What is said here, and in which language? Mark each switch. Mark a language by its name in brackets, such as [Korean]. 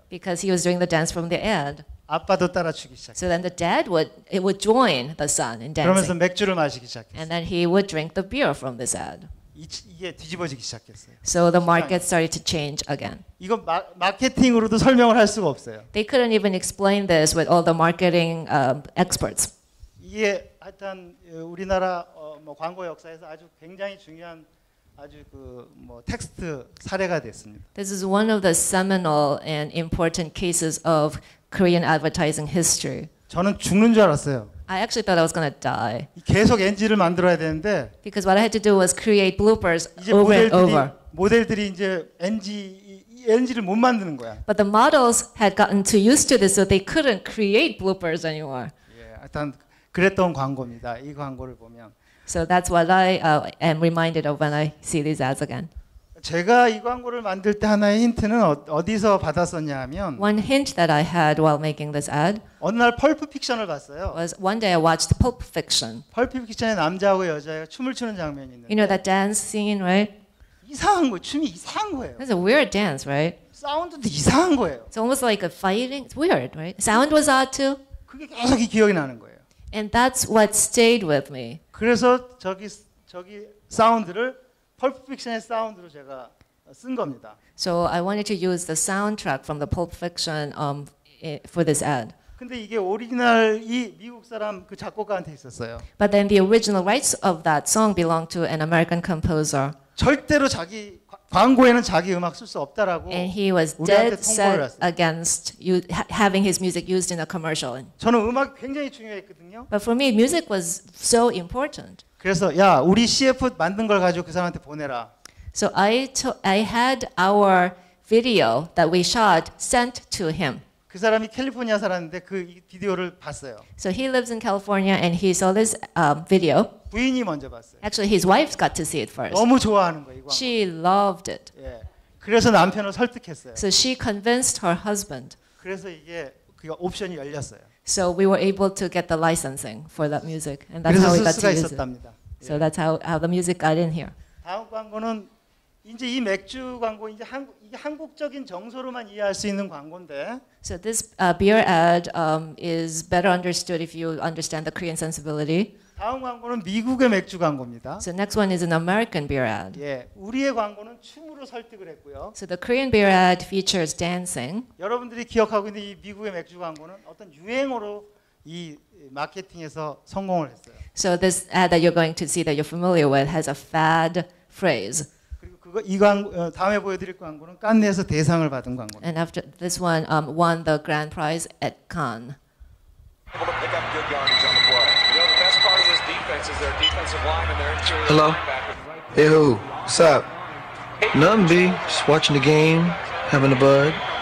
[English] Because he was doing the dance from the ad. [Korean] 아빠도 따라 추기 시작. [English] So then the dad would join the son in dancing. [Korean] 그러면서 맥주를 마시기 시작했어요. [English] And then he would drink the beer from this ad. [Korean] 이게 뒤집어지기 시작했어요. [English] So the market started to change again. [Korean] 이거 마케팅으로도 설명을 할 수가 없어요. [English] They couldn't even explain this with all the marketing experts. [Korean] 이게 하여튼 우리나라 뭐 광고 역사에서 아주 굉장히 중요한 아주 그 뭐 텍스트 사례가 됐습니다. [English] This is one of the seminal and important cases of Korean advertising history. [Korean] 저는 죽는 줄 알았어요. [English] I actually thought I was going to die. [Korean] 계속 NG를 만들어야 되는데 [English] Because what I had to do was create bloopers over and over. [Korean] 모델들이 이제 NG를 못 만드는 거야. [English] But the models had gotten too used to this so they couldn't create bloopers anymore. [Korean] 예, 하여튼 그랬던 광고입니다. 이 광고를 보면 [English] So that's what I am reminded of when I see these ads again. [Korean] 제가 이 광고를 만들 때 하나의 힌트는 어디서 받았었냐면 [English] One hint that I had while making this ad [Korean] 어느 날 펄프 픽션을 봤어요. [English] Was one day I watched Pulp Fiction. [Korean] 펄프 픽션에 남자하고 여자가 춤을 추는 장면이 있는데 [English] You know that dance scene, right? [Korean] 이상한 거예요. 춤이 이상한 거예요. [English] It's a weird dance, right? [Korean] 사운드도 이상한 거예요. [English] It's almost like a fighting. It's weird, right? Sound was odd too. [Korean] 그게 계속 기억이 나는 거예요. [English] And that's what stayed with me. [Korean] 그래서 저기 사운드를 펄프 픽션의 사운드로 제가 쓴 겁니다. [English] So I wanted to use the soundtrack from the Pulp Fiction for this ad. [Korean] 근데 이게 오리지널 이 미국 사람 그 작곡가한테 있었어요. [English] But then the original rights of that song belonged to an American composer. [Korean] 절대로 자기 광고에는 자기 음악 쓸 수 없다라고. [English] And he was dead set against you having his music used in a commercial. [Korean] 저는 음악 굉장히 중요했거든요. [English] But for me, music was so important. [Korean] 그래서 야 우리 CF 만든 걸 가지고 그 사람한테 보내라. [English] So I had our video that we shot sent to him. [Korean] 그 사람이 캘리포니아 살았는데 그 비디오를 봤어요. [English] So he lives in California and he saw this video. [Korean] 부인이 먼저 봤어요. [English] Actually, his wife got to see it first. [Korean] 너무 좋아하는 거예요. 이거. [English] She loved it. [Korean] 예. 그래서 남편을 설득했어요. [English] So she convinced her husband. [Korean] 그래서 이게 그 옵션이 열렸어요. [English] So we were able to get the licensing for that music, and that's how we got to use it. So that's how the music got in here. [Korean] 다음 광고는 이제 이 맥주 광고 이제 한국 이게 한국적인 정서로만 이해할 수 있는 광고인데. [English] So this beer ad is better understood if you understand the Korean sensibility. [Korean] 다음 광고는 미국의 맥주 광고입니다. [English] So next one is an American beer ad. [Korean] 예, 우리의 광고는 춤으로 설득을 했고요. [English] So the Korean beer ad features dancing. [Korean] 여러분들이 기억하고 있는 이 미국의 맥주 광고는 어떤 유행어로 이 마케팅에서 성공을 했어요. [English] So this ad that you're going to see that you're familiar with has a fad phrase. [Korean] 그리고 그거 이 광고 다음에 보여드릴 광고는 칸에서 대상을 받은 광고. [English] And after this one won the grand prize at Cannes. Hello. Hey, who? What's up? Nothing, B. Just watching the game, having a bud.